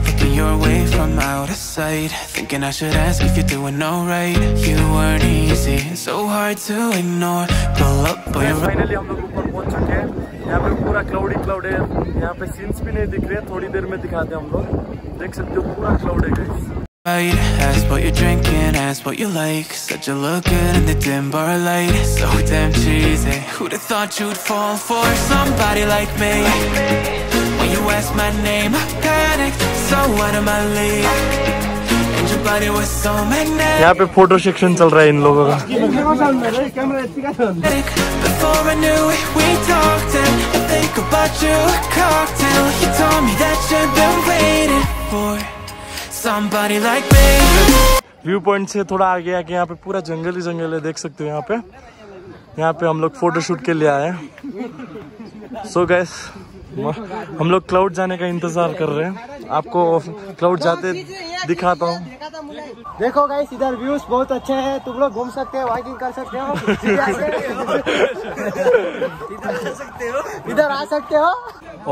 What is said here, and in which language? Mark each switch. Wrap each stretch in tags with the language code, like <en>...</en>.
<en>Your way from out of sight, thinking I should ask if you're doing all right. You weren't easy, so hard to ignore. Pull up, boy. Yes, finally,</en> <hi>हम लोग ऊपर पहुंच चुके हैं। यहाँ पे पूरा क्लाउडी क्लाउड है, यहाँ पे सीन्स भी नहीं दिख रहे हैं, थोड़ी देर में दिखाते हैं हम लोग। देख सकते हो पूरा क्लाउड है guys.</hi> <en>Ask what you're drinking, ask what you like. Said you look good in the dim bar light. So damn cheesy. Who'd have thought you'd fall for somebody like me? When you asked my name, I panicked. So out of my league. And your body was so magnetic.</en> <hi>यहाँ पे photo section चल रहा है इन लोगों का।</hi> <en>Before I knew it, we talked and I think about you a cocktail. You told me that you'd been waiting for.</en> <hi>View point से थोड़ा आगे आके यहाँ पे पूरा जंगल ही जंगल है, देख सकते हो यहाँ पे। यहाँ पे हम लोग फोटो शूट के लिए आए हैं। सो गाइस हम लोग क्लाउड जाने का इंतजार कर रहे हैं, आपको क्लाउड जाते दिखाता हूँ। देखो गाइस इधर व्यूज बहुत अच्छे हैं, तुम लोग घूम सकते हो, वॉकिंग कर सकते हो, इधर आ सकते हो</hi>